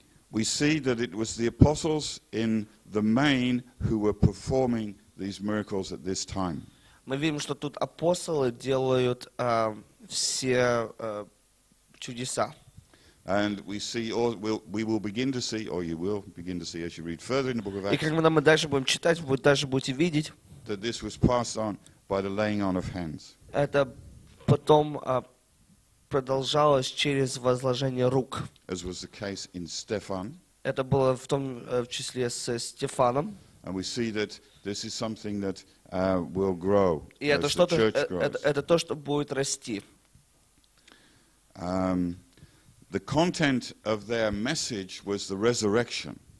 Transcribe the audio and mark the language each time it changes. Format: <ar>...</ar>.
<en>We see that it was the apostles in the main who were performing these miracles at this time.</en> <ru>Мы видим, что тут апостолы делают все чудеса.</ru> <en>And we see, or we will begin to see, or you will begin to see as you read further in the book of Acts.</en> <ru>И когда мы дальше будем читать, вы даже будете видеть.</ru> <en>That this was passed on by the laying on of hands.</en> <ru>Это потом продолжалось через возложение рук.</ru> <en>As was the case in Stephan.</en> <ru>Это было в том числе с Стефаном.</ru> <en>And we see that this is something that will grow as the church grows.</en> <ru>Это то, что будет расти.</ru> <en>The content of their message was the resurrection.</en>